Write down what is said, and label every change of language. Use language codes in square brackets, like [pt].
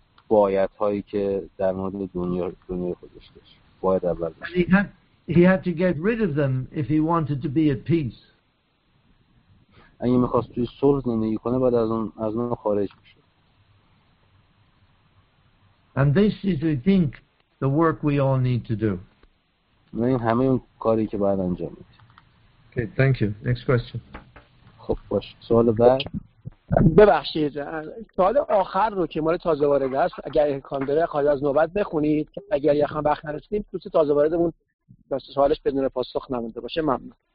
[fa] بایدهایی که در مورد دنیا خودش داشت. باید اول داشت. [en] And he had, he had to get rid of them if he wanted to be at peace. [fa] اگه میخواست توی صلح زندگی کنه بعد از اون از اون خارج میشه. [en] And this is, I think, the work we all need to do. [fa] این همه اون کاری که باید انجام بدیم. [en] Okay, thank you. Next question. [fa] خب باش. سوال بعد. ببخشید. سوال آخر رو که مال تازه وارد است، اگر امکان داره خواهید از نوبت بخونید، اگر یکم وقت نرسیدیم دوست تازه واردمون سوالش بدون پاسخ نمونده باشه ممنون.